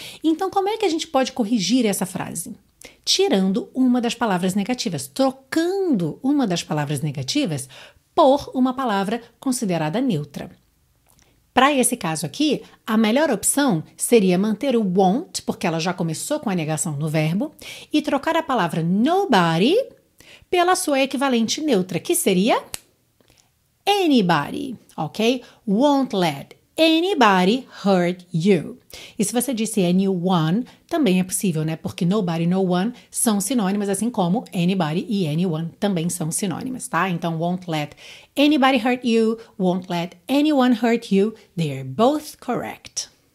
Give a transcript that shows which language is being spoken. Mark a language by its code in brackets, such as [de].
[pt] Então, como é que a gente pode corrigir essa frase? Tirando uma das palavras negativas, trocando uma das palavras negativas por uma palavra considerada neutra. Para esse caso aqui, a melhor opção seria manter o won't, porque ela já começou com a negação no verbo, e trocar a palavra nobody pela sua equivalente neutra, que seria anybody, ok? [en] Won't let anybody hurt you. [pt] E se você disse anyone, também é possível, né? Porque nobody, no one são sinônimas, assim como anybody e anyone também são sinônimas, tá? [en] Então, won't let anybody hurt you, won't let anyone hurt you, they're both correct.